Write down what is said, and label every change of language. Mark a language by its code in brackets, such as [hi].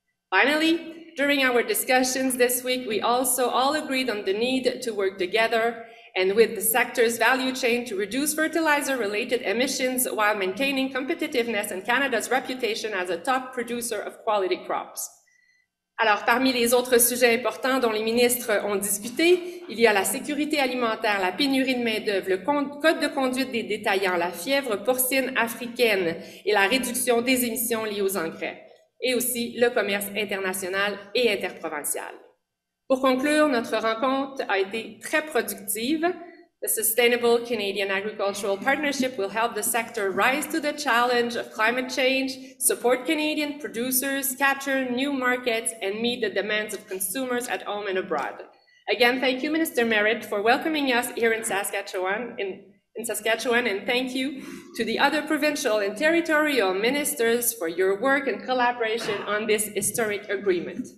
[en] Finally, during our discussions this week, we also all agreed on the need to work together and with the sector's value chain to reduce fertilizer-related emissions while maintaining competitiveness and Canada's reputation as a top producer of quality crops. [fr] Alors, parmi les autres sujets importants dont les ministres ont discuté, il y a la sécurité alimentaire, la pénurie de main-d'œuvre, le code de conduite des détaillants, la fièvre porcine africaine et la réduction des émissions liées aux engrais, et aussi le commerce international et interprovincial. Pour conclure, notre rencontre a été très productive. [en] The Sustainable Canadian Agricultural Partnership will help the sector rise to the challenge of climate change, support Canadian producers, capture new markets, and meet the demands of consumers at home and abroad. Again, thank you, Minister Marit, for welcoming us here in Saskatchewan, and thank you to the other provincial and territorial ministers for your work and collaboration on this historic agreement.